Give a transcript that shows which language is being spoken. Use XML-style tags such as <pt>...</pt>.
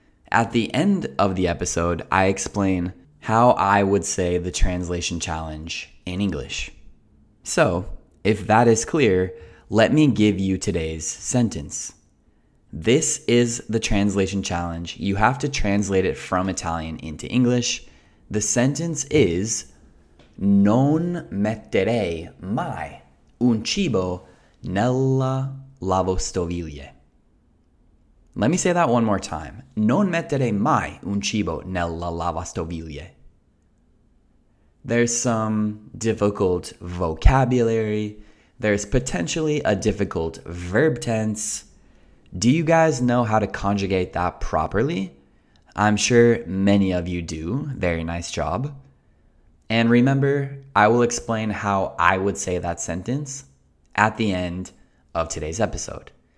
<en>At the end of the episode, I explain how I would say the translation challenge in English. So, if that is clear, let me give you today's sentence. This is the translation challenge. You have to translate it from Italian into English. The sentence is,</en> <it>non metterei mai un cibo nella lavastoviglie.</it> <en>Let me say that one more time.</en> <it>Non metterei mai un cibo nella lavastoviglie.</it> <en>There's some difficult vocabulary. There's potentially a difficult verb tense. Do you guys know how to conjugate that properly? I'm sure many of you do. Very nice job. And remember, I will explain how I would say that sentence at the end of today's episode.</en>